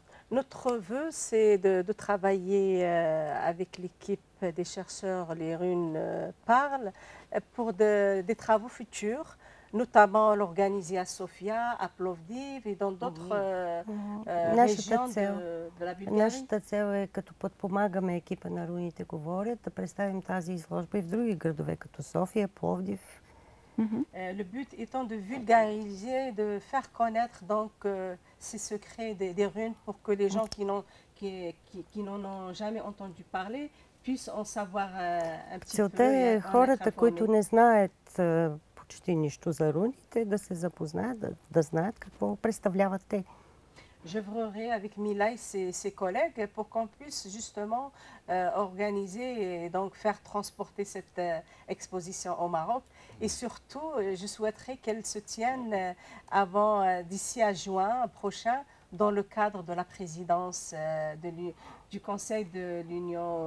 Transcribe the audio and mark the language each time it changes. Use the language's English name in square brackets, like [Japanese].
[French] Notre vœu, c'est de travailler avec l'équipe des chercheurs Les Runes Parlent pour des travaux futurs, notamment l'organiser à Sofia, à Plovdiv et dans d'autres régions de la Bulgarie. [Bulgarian] Наша цел е, като подпомагаме екипа на Руните говорят, да представим тази изложба и в други градове, като София, Пловдив. [French] Le but étant de vulgariser, de faire connaître donc ces secrets des runes pour que les gens qui n'en ont jamais entendu parler puissent en savoir un petit peu. [Bulgarian] Целта е хората, които не знаят почти нищо за руните, да се запознаят, да знаят какво представляват те. [French] J'œuvrerai avec Mila et ses collègues pour qu'on puisse justement organiser et donc faire transporter cette exposition au Maroc. Et surtout, je souhaiterais qu'elle se tienne avant, d'ici à juin prochain, dans le cadre de la présidence du Conseil de l'Union